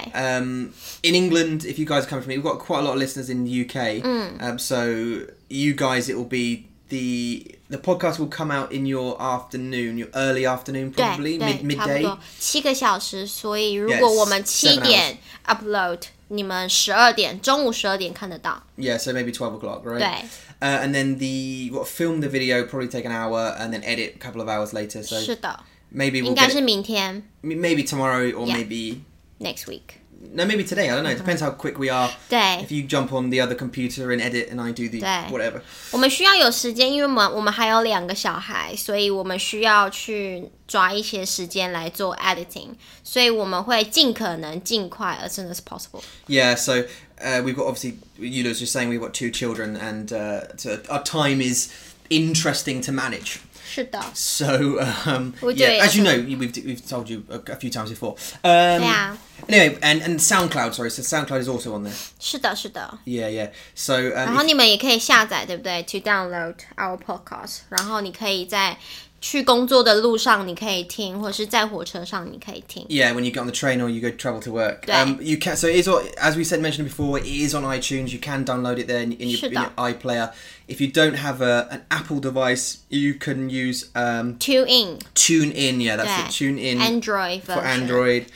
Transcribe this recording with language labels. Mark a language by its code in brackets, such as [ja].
[en] In England, if you guys come from me, we've got quite a lot of listeners in the UK. So, you guys, it will be the podcast will come out in your afternoon, your early afternoon, probably, [zh] 对, [en] midday. [zh] 七个小时,所以如果我们七点 upload, 你们十二点,中午十二点看得到. [en] Yeah, so maybe 12 o'clock, right? [zh] 对. [en] And then film the video, probably take an hour, and then edit a couple of hours later. So [zh] 是的, [en] maybe we'll [zh] 应该是明天, [en] get it, maybe tomorrow or maybe next week. No, maybe today. I don't know. It depends how quick we are. [zh] 对, [en] if you jump on the other computer and edit, and I do the [zh] 对, [en] whatever. [zh] 我们需要有时间，因为我们还有两个小孩，所以我们需要去抓一些时间来做 editing。所以我们会尽可能尽快 [en] as soon as possible. Yeah. So. We've got, obviously, Yula's just saying we've got two children and so our time is interesting to manage. [zh] 是的. [en] So, yeah, as you know, we've told you a few times before. Yeah. Anyway, and SoundCloud, sorry, so SoundCloud is also on there. [zh] 是的。 [en] Yeah. So, [zh] 然后你们也可以下载, 对不对? [en] To download our podcast. [zh] 然后你可以在去工作的路上你可以听，或是在火车上你可以听。 [en] Yeah, when you get on the train or you go travel to work. You can, so it's all, as we said, mentioned before, it is on iTunes. You can download it there in your iPlayer. If you don't have an Apple device, you can use... Tune In. Yeah, that's it. Tune In. Android version. For Android.